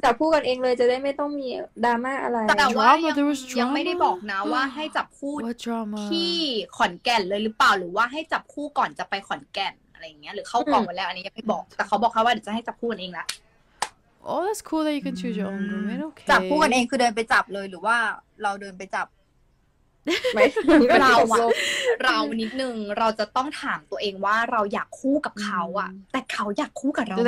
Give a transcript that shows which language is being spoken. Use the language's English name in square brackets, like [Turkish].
[Thai] แต่พูดกันเองเลยจะได้ไม่ต้องมีดราม่าอะไร แต่ว่ายังไม่ได้บอกนะว่าให้จับคู่ ที่ขอนแก่นเลยหรือเปล่าหรือว่าให้จับคู่ก่อนจะไปขอนแก่นอะไรอย่างเงี้ยหรือเข้ากล่องไปแล้วอันนี้ยังไม่บอกแต่เขาบอกเขาว่าเดี๋ยวจะให้จับคู่กันเองละ [English] Oh that's cool that you can choose your own roommate okay [Thai] จับคู่กันเองคือเดินไปจับเลยหรือว่าเราเดินไปจับเราอะเรานิดนึงเราจะต้องถามตัวเองว่าเราอยากคู่กับเขาอะแต่เขาอยากคู่กับเราไหม